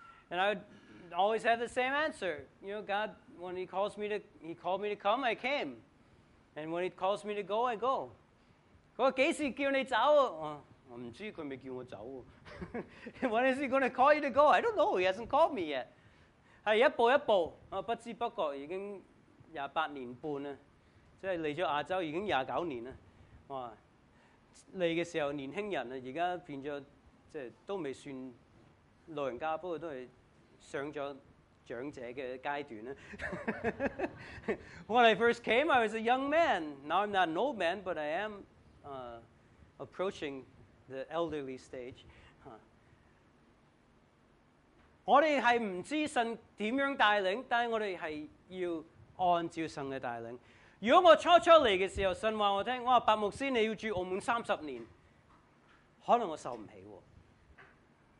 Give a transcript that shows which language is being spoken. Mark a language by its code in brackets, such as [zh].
[en] And I would always have the same answer. You know, God, when he called me to come, I came. And when he calls me to go, I go. [yue] 佢话几时叫你走？我唔知，佢未叫我走。 [en] When is he going to call you to go? I don't know. He hasn't called me yet. [yue] 系一步一步，我不知不觉已经28年半啦，即系嚟咗亚洲已经29年啦。哇！嚟嘅時候年輕人啊，而家變咗即係都未算老人家，不過都係上咗長者嘅階段啦。 [en] When I first came, I was a young man. Now I'm not an old man, but I am approaching the elderly stage. [yue] 我哋係唔知道神點樣帶領，但係我哋係要按照神嘅帶領。如果我初初嚟嘅時候，神話我聽，我話白牧師你要住澳門30年，可能我受唔起喎。